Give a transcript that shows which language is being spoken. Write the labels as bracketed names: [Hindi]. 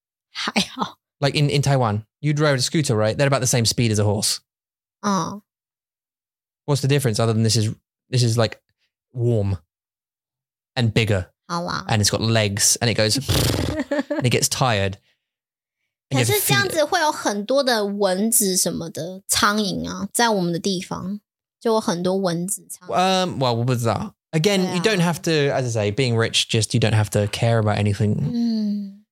[Chinese] 还好。 [English] Like in Taiwan, you drive a scooter, right? They're about the same speed as a horse. What's the difference other than this is like warm and bigger. [Chinese] 好啦。 [English] And it's got legs and it goes and it gets tired. [Chinese] 可是这样子会有很多的蚊子什么的苍蝇啊，在我们的地方。就很多蚊子 [English] Well, what was that? Again, you don't have to, as I say, being rich, just you don't have to care about anything.